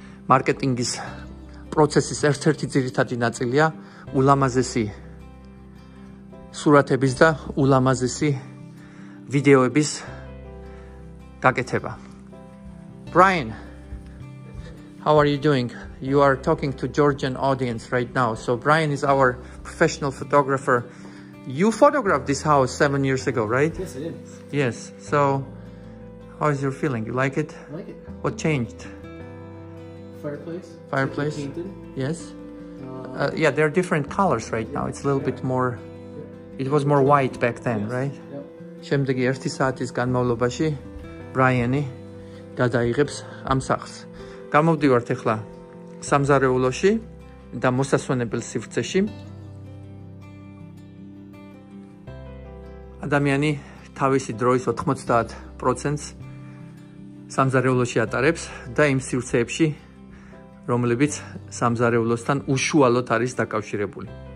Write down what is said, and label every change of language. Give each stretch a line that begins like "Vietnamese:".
Georgian: მარკეტინგის პროცესის ერთ-ერთი ძირითადი ნაწილია ულამაზესი სურათების და ულამაზესი ვიდეოების გაკეთება.
English: Brian, how are you doing? You are talking to Georgian audience right now. So Brian is our professional photographer. You photographed this house 7 years ago, right? Yes, I did. Yes. So how is your feeling? You like it? I like it. What changed? Fireplace. Painted. Yes. Yeah, there are different colors right now. It's a little bit more. It was more white back then, right?
Georgian: შემდეგი 1 საათის განმავლობაში ბრაიანი გადაიღებს ამ სახლს. გამოვდივართ ახლა სამზარეულოში და მოსასვენებელ სივრცეში. ადამიანი თავისი დროის 90% სამზარეულოში ატარებს და იმ სივრცეებში, რომლებიც სამზარეულოსთან უშუალოდ არის დაკავშირებული.